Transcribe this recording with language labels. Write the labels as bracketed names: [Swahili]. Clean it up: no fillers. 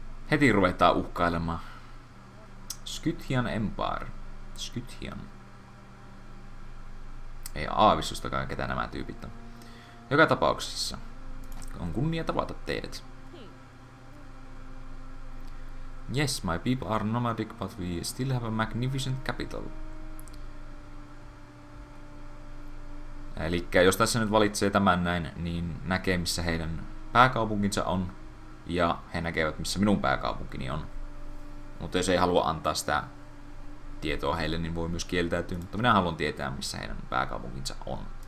[Finnish] Heti ruvetaan uhkailemaan. Skythian Empire. Skythian. Ei aavistustakaan, ketä nämä tyypit on. Joka tapauksessa on kunnia tavata teidät. [English] Yes, my people are nomadic, but we still have a magnificent capital. [Finnish] Elikkä jos tässä nyt valitsee tämän näin, niin näkee missä heidän pääkaupunkinsa on. Ja he näkevät, missä minun pääkaupunkini on. Mutta jos ei halua antaa sitä tietoa heille, niin voi myös kieltäytyä. Mutta minä haluan tietää, missä heidän pääkaupunkinsa on.